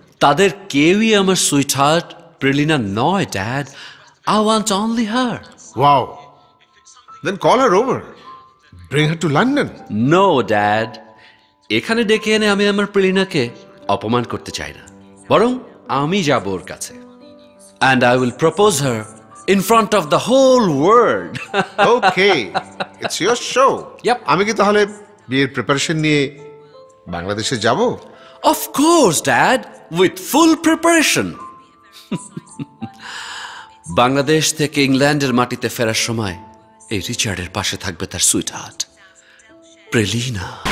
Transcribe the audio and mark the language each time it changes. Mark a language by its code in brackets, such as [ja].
[bn] তাদের কেউই আমার সুইটহার্ট প্রিলিনা নয় dad, [en] I want only her. Wow, then call her over, bring her to London. [bn] No dad, এখানে ডেকে এনে আমি আমার প্রিলিনাকে অপমান করতে চাই না, বরং আমি যাব ওর কাছে। [en] And I will propose her in front of the whole world. Okay, it's your show. Yep. [bn] আমি কি তাহলে বিয়ের প্রিপারেশন নিয়ে বাংলাদেশে যাব? [en] Of course, Dad, with full preparation. [bn] Bangladesh থেকে ইংল্যান্ডের মাটিতে ফেরার সময় এই রিচার্ডের পাশে থাকবে তার সুইটহার্ট প্রিলিনা।